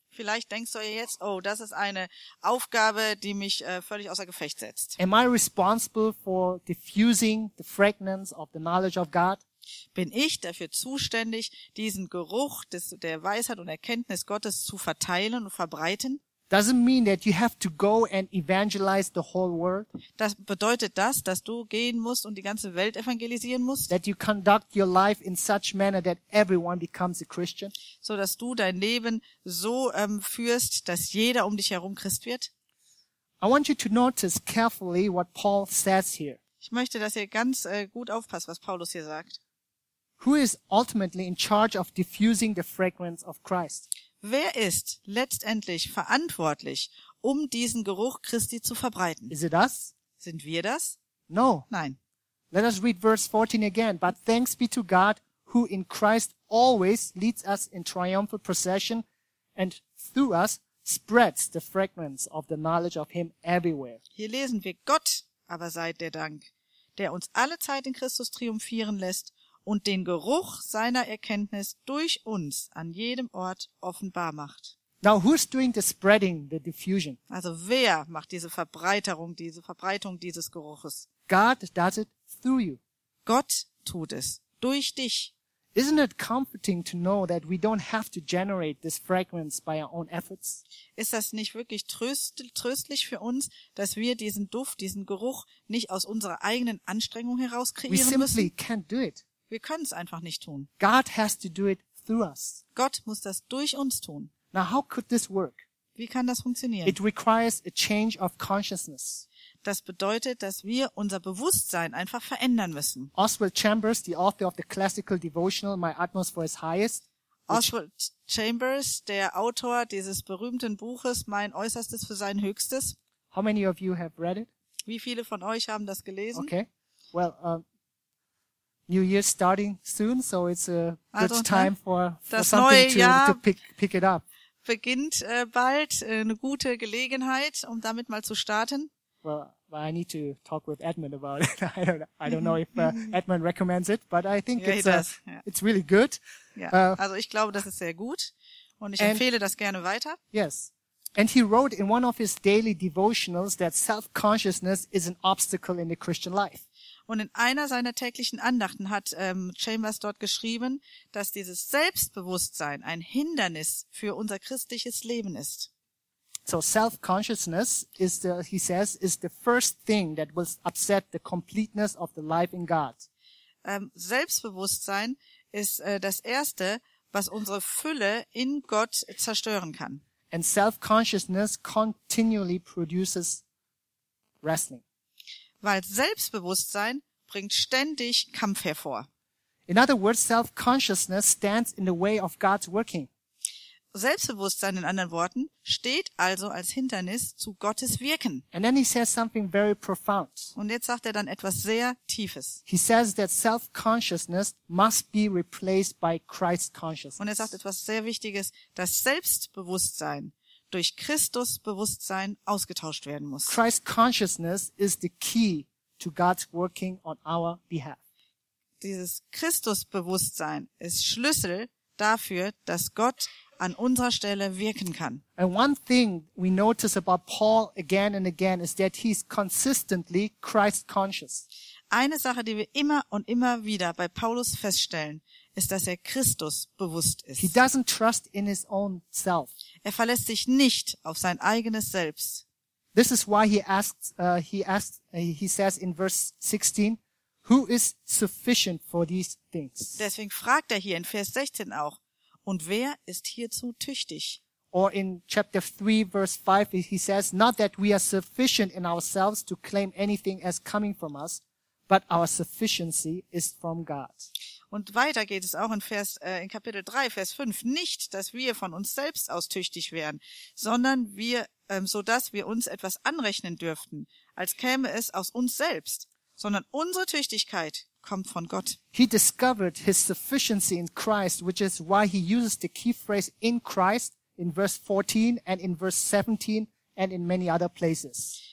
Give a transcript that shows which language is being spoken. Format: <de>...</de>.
<de>Vielleicht denkst du jetzt, oh, das ist eine Aufgabe, die mich völlig außer Gefecht setzt.</de> <en>Am I responsible for diffusing the fragrance of the knowledge of God?</en> <de>Bin ich dafür zuständig, diesen Geruch der Weisheit und Erkenntnis Gottes zu verteilen und verbreiten?</de> <en>Doesn't mean that you have to go and evangelize the whole world.</en> <de>Das bedeutet das, dass du gehen musst und die ganze Welt evangelisieren musst?</de> <en>That you conduct your life in such manner that everyone becomes a Christian.</en> <de>So dass du dein Leben so führst, dass jeder um dich herum Christ wird?</de> <en>I want you to notice carefully what Paul says here.</en> <de>Ich möchte, dass ihr ganz gut aufpasst, was Paulus hier sagt.</de> <en>Who is ultimately in charge of diffusing the fragrance of Christ?</en> <de>Wer ist letztendlich verantwortlich, um diesen Geruch Christi zu verbreiten?</de> <en>Is it us?</en> <de>Sind wir das?</de> <en>No.</en> <de>Nein.</de> <en>Let us read verse 14 again. But thanks be to God, who in Christ always leads us in triumphal procession and through us spreads the fragrance of the knowledge of him everywhere.</en> <de>Hier lesen wir: Gott aber sei der Dank, der uns alle Zeit in Christus triumphieren lässt und den Geruch seiner Erkenntnis durch uns an jedem Ort offenbar macht.</de> <en>Now who's doing the spreading, the diffusion?</en> <de>Also wer macht diese Verbreitung dieses Geruches?</de> <en>God does it through you.</en> <de>Gott tut es durch dich.</de> <en>Isn't it comforting to know that we don't have to generate this fragrance by our own efforts?</en> <de>Ist das nicht wirklich tröstlich für uns, dass wir diesen Duft, diesen Geruch nicht aus unserer eigenen Anstrengung heraus kreieren müssen?</de> <en>We simply can't do it.</en> <de>Wir können es einfach nicht tun.</de> <en>God has to do it through us.</en> <de>Gott muss das durch uns tun.</de> <en>Now how could this work?</en> <de>Wie kann das funktionieren?</de> <en>It requires a change of consciousness.</en> <de>Das bedeutet, dass wir unser Bewusstsein einfach verändern müssen.</de> <en>Oswald Chambers, the author of the classical devotional My Atmosphere is Highest.</en> <de>Oswald Chambers, der Autor dieses berühmten Buches Mein Äußerstes für sein Höchstes.</de> <en>How many of you have read it?</en> <de>Wie viele von euch haben das gelesen?</de> <en>Okay. Well, New Year starting soon, so it's a good time for something to pick it up.</en> <de>Beginnt bald, eine gute Gelegenheit, um damit mal zu starten.</de> <en>Well, I need to talk with Edmund about it. I don't know if Edmund recommends it, but I think it's really good.</en> <de>Ja. Also ich glaube, das ist sehr gut und ich empfehle das gerne weiter.</de> <en>Yes. And he wrote in one of his daily devotionals that self-consciousness is an obstacle in the Christian life.</en> <de>Und in einer seiner täglichen Andachten hat Chambers dort geschrieben, dass dieses Selbstbewusstsein ein Hindernis für unser christliches Leben ist.</de> <en>So self-consciousness is the, he says, is the first thing that will upset the completeness of the life in God.</en> <de>Selbstbewusstsein ist das Erste, was unsere Fülle in Gott zerstören kann.</de> <en>And self-consciousness continually produces wrestling.</en> <de>Weil Selbstbewusstsein bringt ständig Kampf hervor.</de> <en>In other words, self-consciousness stands in the way of God's working.</en> <de>Selbstbewusstsein, in anderen Worten, steht also als Hindernis zu Gottes Wirken.</de> <en>And then he says something very profound.</en> <de>Und jetzt sagt er dann etwas sehr Tiefes.</de> <en>He says that self-consciousness must be replaced by Christ consciousness.</en> <de>Und er sagt etwas sehr Wichtiges, dass Selbstbewusstsein durch Christus Bewusstsein ausgetauscht werden muss.</de> <en>Christ consciousness is the key to God's working on our behalf.</en> <de>Dieses Christusbewusstsein ist Schlüssel dafür, dass Gott an unserer Stelle wirken kann.</de> <en>And one thing we notice about Paul again and again is that he's consistently Christ conscious.</en> <de>Eine Sache, die wir immer und immer wieder bei Paulus feststellen, ist, dass er Christus bewusst ist.</de> <en>He doesn't trust in his own self.</en> <de>Er verlässt sich nicht auf sein eigenes Selbst.</de> <en>This is why he says in verse 16, who is sufficient for these things?</en> <de>Deswegen fragt er hier in Vers 16 auch, und wer ist hierzu tüchtig?</de> <en>Or in chapter 3, verse 5, he says, not that we are sufficient in ourselves to claim anything as coming from us, but our sufficiency is from God.</en> <de>Und weiter geht es auch in Kapitel 3, Vers 5, nicht, dass wir von uns selbst aus tüchtig wären, sondern wir, so dass wir uns etwas anrechnen dürften, als käme es aus uns selbst, sondern unsere Tüchtigkeit kommt von Gott.</de> <en>He discovered his sufficiency in Christ, which is why he uses the key phrase in Christ in verse 14 and in verse 17 and in many other places.</en>